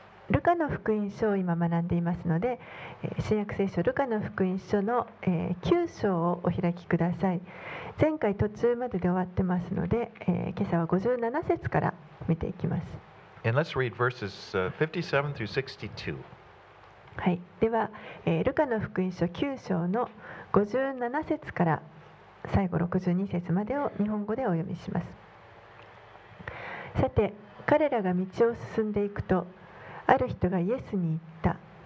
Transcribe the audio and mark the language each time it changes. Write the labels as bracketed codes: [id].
[ja] ルカの福音書を今学んでいますので、新約聖書ルカの福音書の9章をお開きください。前回途中までで終わってますので、今朝は57節から見ていきます。 [en] And let's read verses 57 through 62. [ja] はい、では、ルカの福音書9章の57節から最後62節までを日本語でお読みします。さて彼らが道を進んでいくと、ある人がイエスに言った。